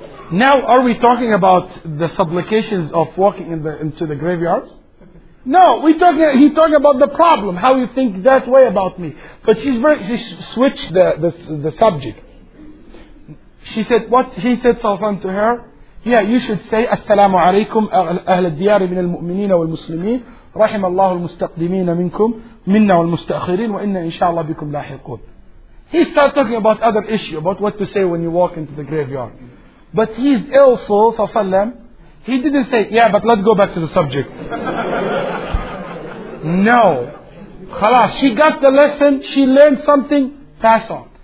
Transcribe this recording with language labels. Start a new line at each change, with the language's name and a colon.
English: Now, are we talking about the supplications of walking into the graveyard? No, he's talking about the problem, how you think that way about me. But she switched the subject. She said, what? He said something to her. Yeah, you should say,
Arabic: Assalamu alaykum, أهل الديار من المؤمنين والمسلمين, رحم الله المستقدمين منكم, منا والمستأخرين, وإنا إن شاء الله بكم لاحقون.
English: He started talking about other issues, about what to say when you walk into the graveyard. But he's ill, so, sallam, he didn't say, yeah, but let's go back to the subject. No. خلاص, she got the lesson, she learned something, pass on.